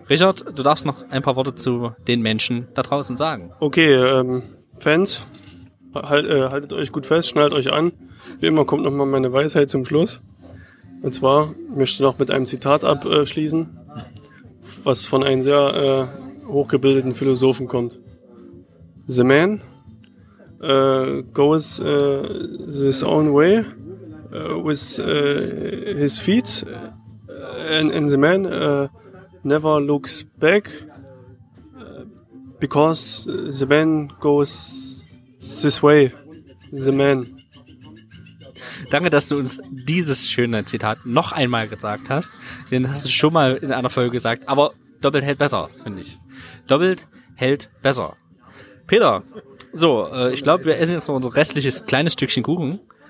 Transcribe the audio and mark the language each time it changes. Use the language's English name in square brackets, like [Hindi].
[German] Richard, du darfst noch ein paar Worte zu den Menschen da draußen sagen. Okay, Fans, haltet euch gut fest, schnallt euch an. Wie immer kommt nochmal meine Weisheit zum Schluss. Und zwar möchte ich noch mit einem Zitat abschließen, was von einem sehr hochgebildeten Philosophen kommt. [English] The man goes his own way with his feet. And the man never looks back because the man goes this way, the man. [German] Danke, dass du uns dieses schöne Zitat noch einmal gesagt hast. Den hast du schon mal in einer Folge gesagt, aber doppelt hält besser, finde ich. Doppelt hält besser. Peter, so, ich glaube, wir essen jetzt noch unser restliches kleines Stückchen Kuchen.